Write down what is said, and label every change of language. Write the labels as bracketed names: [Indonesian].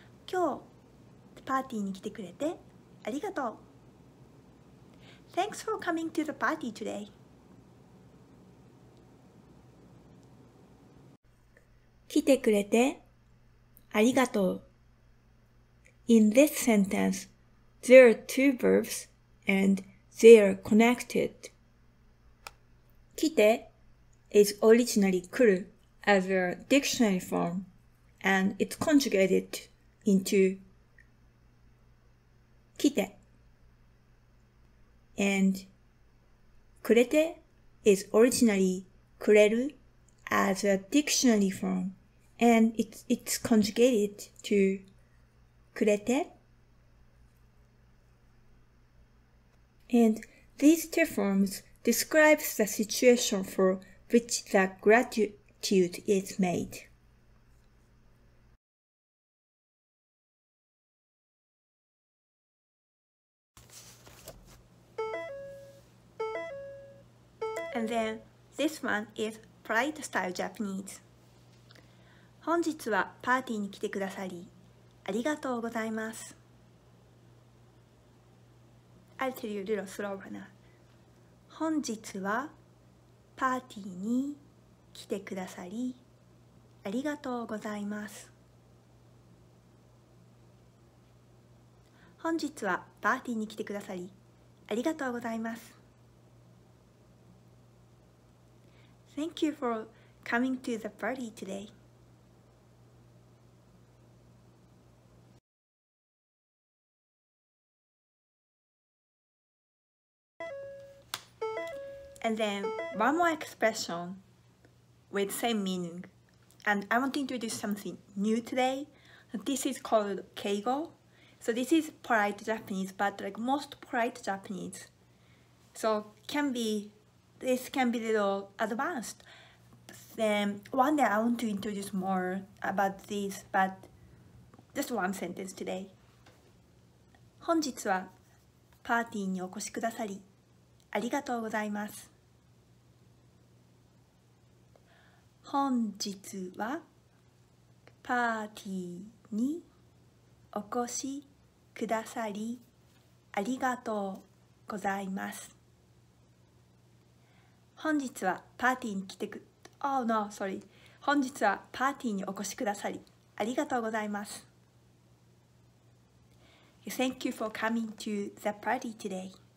[Japanese] 今日パーティーに来てくれてありがとう。 [English] Thanks for coming to the party today. [Japanese] 来てくれてありがとう。 [English] In this sentence, there are two verbs and they are connected. 来て is originally 来る as a dictionary form and it's conjugated into 来て and くれて is originally くれる as a dictionary form and it's conjugated to くれて and these two formsDescribes the situation for which the gratitude is made. And then, this one is polite style Japanese. [Japanese] 本日はパーティーに来てくださりありがとうございます。 [English] I'll tell you a little slower now. [Japanese] 本日はパーティーに来てくださりありがとうございます。本日はパーティーに来てくださりありがとうございます。 [English] Thank you for coming to the party today. And then one more expression with same meaning. And I want to introduce something new today. This is called keigo. So this is polite Japanese, but like most polite Japanese. So can be, this can be a little advanced. Then one day I want to introduce more about this, but just one sentence today. [Japanese] 本日はパーティーにお越しくださりありがとうございます。本日はパーティーにお越しくださりありがとうございます。本日はパーティーに来てく、 [English] Oh no, sorry. [Japanese] 本日はパーティーにお越しくださりありがとうございます。 [English] Thank you for coming to the party today.